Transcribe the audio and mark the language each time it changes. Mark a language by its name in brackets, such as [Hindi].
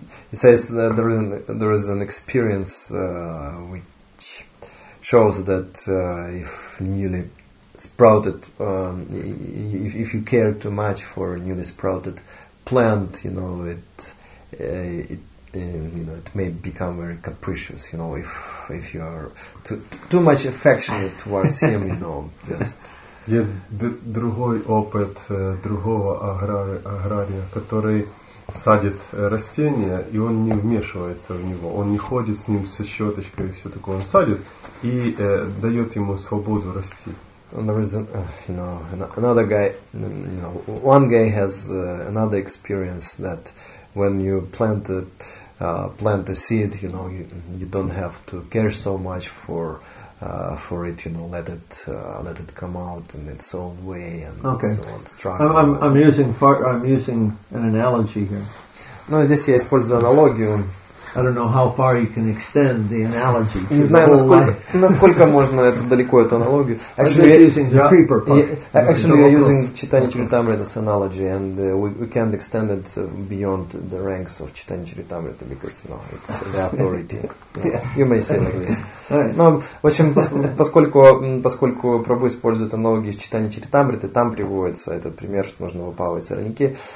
[English] He says that there is an experience which shows that if newly sprouted, if you care too much for a newly sprouted plant, it may become very capricious. If you are too much affectionate towards him, just. [Russian] Есть другой опыт другого агрария, который садит растения, и он не вмешивается в него, он не ходит с ним со щеточкой и все такое, он садит и дает ему свободу расти. [English] There is another guy, one guy has another experience that when you plant plant a seed, you don't have to care so much for it, let it come out in its own way and so on. I'm using an analogy here. [Russian] No, здесь я использую аналогию. [English] I don't know how far you can extend the analogy. [Russian] Не знаю, насколько можно это далеко эту аналогию. [English] Actually, I'm using Chaitanya Charitamrita as analogy, and we can't extend it beyond the ranks of Chaitanya Charitamrita because it's the authority. Yeah. You may say like this. [Russian] Но в общем, поскольку Прабху использует аналогию с Chaitanya Charitamrita, там приводится этот пример, что можно выпалывать сорняки.